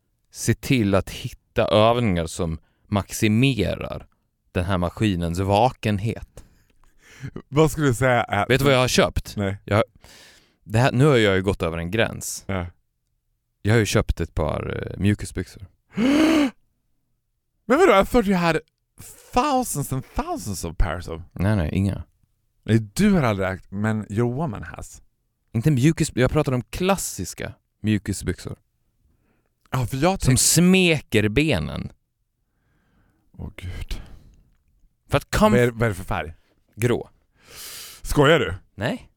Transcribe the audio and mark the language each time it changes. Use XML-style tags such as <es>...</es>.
<sv>Se till att hitta övningar som maximerar den här maskinens vakenhet. Vad skulle du säga? Vet du vad jag har köpt? Nej. Nu har jag ju gått över en gräns. Ja. Jag har ju köpt ett par mjukisbyxor. Men vadå?</sv> <en>I thought you had thousands and thousands of pairs of.</en> <sv>Nej, inga. Nej, du har aldrig ägt, men</sv> <en>your woman has.</en> <sv>Inte mjukisbyxor. Jag pratar om klassiska mjukisbyxor. Ja, för jag som smeker benen. Åh, gud. För att kom... Vad är det för färg? Grå. Skojar du? Nej.</sv>